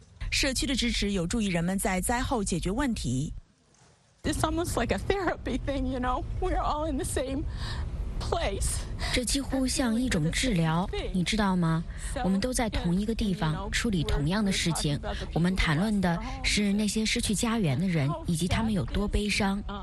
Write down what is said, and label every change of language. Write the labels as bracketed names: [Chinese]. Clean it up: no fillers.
[Chinese] 社区的支持有助于人们在灾后解决问题。 [English] It's almost like a therapy thing, you know. We're all in the same. [Chinese] 这几乎像一种治疗，你知道吗？我们都在同一个地方处理同样的事情，我们谈论的是那些失去家园的人以及他们有多悲伤。